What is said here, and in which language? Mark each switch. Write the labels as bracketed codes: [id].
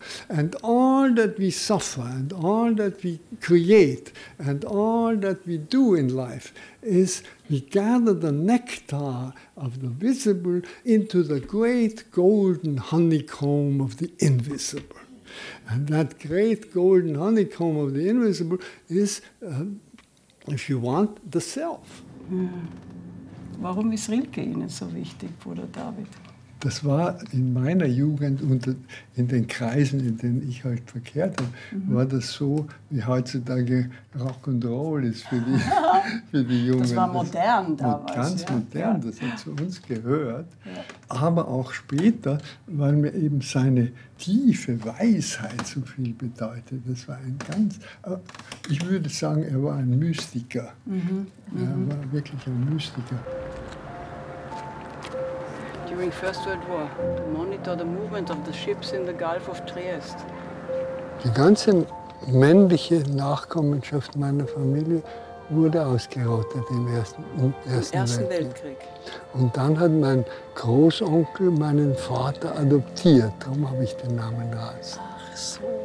[en] And all that we suffer, and all that we create, and all that we do in life is we gather the nectar of the visible into the great golden honeycomb of the invisible. And that great golden honeycomb of the invisible is, if you want, the self. [de] Warum ist Rilke Ihnen so wichtig, Bruder David? Das war in meiner Jugend und in den Kreisen, in denen ich halt verkehrt habe, war das so, wie heutzutage Rock and Roll ist für die Jungen. Das war modern damals. Ganz ja. Modern, das hat zu uns gehört. Ja. Aber auch später, weil mir eben seine tiefe Weisheit so viel bedeutet. Das war ein ganz, ich würde sagen, er war ein Mystiker. Mhm. Er war wirklich ein Mystiker. [en] During First World War, to monitor the movement of the ships in the Gulf of Trieste. [de] Die ganze männliche Nachkommenschaft meiner Familie wurde ausgerottet im Ersten Weltkrieg. Und dann hat mein Großonkel meinen Vater adoptiert. Darum habe ich den Namen Ras. Ach so.